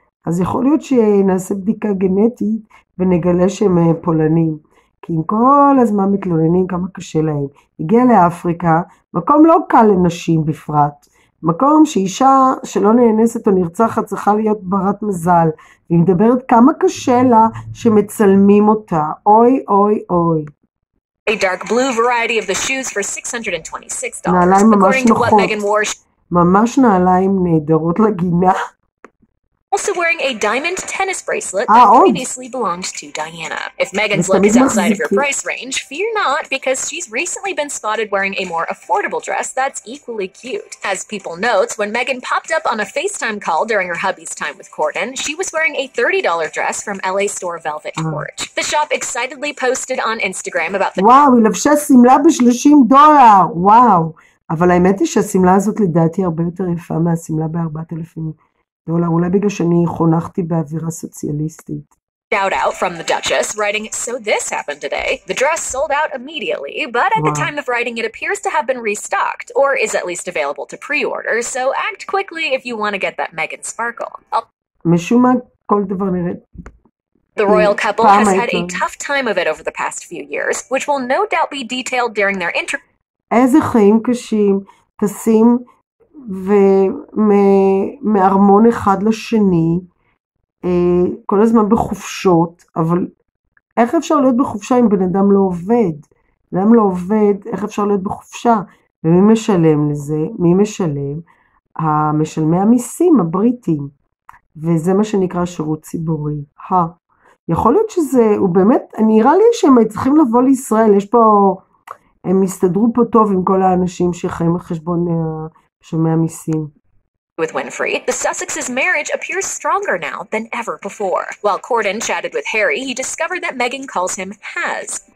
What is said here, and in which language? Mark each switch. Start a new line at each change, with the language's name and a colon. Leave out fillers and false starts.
Hebrew: אז יכול להיות שנעשה בדיקה גנטית, ונגלה שהם פולנים, כי עם כל הזמן מתלוננים כמה קשה להם. הגיע לאפריקה, מקום לא קל לנשים בפרט, מקום שאישה שלא נאנסת או נרצחת צריכה להיות ברת מזל. היא מדברת כמה קשה לה שמצלמים אותה. אוי, אוי, אוי.
English: A dark blue variety of the shoes for $626.
Hebrew: נעליים ממש נוחות. ממש נעליים נהדרות לגינה.
English: Also wearing a diamond tennis bracelet that previously belonged to Diana. If Megan's look is outside of your price range, fear not, because she's recently been spotted wearing a more affordable dress that's equally cute. As people note, when Megan popped up on a FaceTime call during her hubby's time with Corden, she was wearing a $30 dress from LA store Velvet Porch. The shop excitedly posted on Instagram about the...
Hebrew: וואו, היא לבשה סמלה ב-$30. וואו. אבל האמת היא שהסמלה הזאת לדעתי הרבה יותר יפה מהסמלה ב-$4,000. דולר, אולי בגלל שאני חונכתי באווירה סוציאליסטית.
English: Shout out from the Duchess, writing, so this happened today. The dress sold out immediately, but at the time of writing, it appears to have been restocked, or is at least available to pre-order, so act quickly if you want to get that Megan sparkle.
Hebrew: משום מה, כל דבר נראית.
English: The royal couple has had a tough time of it over the past few years, which will no doubt be detailed during their interview.
Hebrew: איזה חיים קשים, תשים... ומארמון אחד לשני, כל הזמן בחופשות, אבל איך אפשר להיות בחופשה אם בן אדם לא עובד? אדם לא עובד, איך אפשר להיות בחופשה? ומי משלם לזה? מי משלם? המשלמי המיסים, הבריטים. וזה מה שנקרא שירות ציבורי. יכול להיות שזה, הוא באמת, נראה לי שהם צריכים לבוא לישראל, יש פה, הם הסתדרו פה טוב עם כל האנשים שחיים בחשבון ה... שומע מיסים.
English: With Winfrey, the Sussex's marriage appears stronger now than ever before. While Corden chatted with Harry, he discovered that Meghan calls him has.